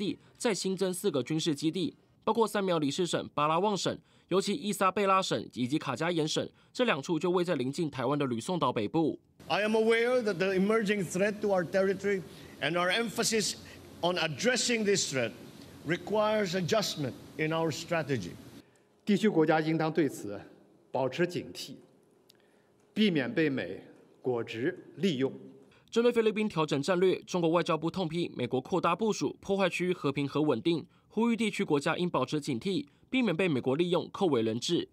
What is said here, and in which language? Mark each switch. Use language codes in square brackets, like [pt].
[zh] 布林肯也肯定台湾提升国防预算、加强军购，强调自己是签署最多件对台军售案的国务卿。而国务院过去10年来通知国会对台军售总额达近400亿美元。美方在印太区域跟中国维持战略竞争，不止协助台湾自我防卫，也携手菲律宾将签署加强国防合作协议。菲国总统小马可是表态，允许美军再现有5个基地，再新增4个军事基地。包括塞苗里士省、巴拉望省、尤其伊萨贝拉省以及卡加延省，这2处就位在临近台湾的吕宋岛北部。I [en] am aware that the emerging threat to our territory and our emphasis on addressing this threat requires adjustment in our strategy. [zh] 地区国家应当对此保持警惕，避免被美果执利用。针对菲律宾调整战略，中国外交部痛批美国扩大部署，破坏区域和平和稳定。呼吁地区国家应保持警惕，避免被美国利用，扣为人质。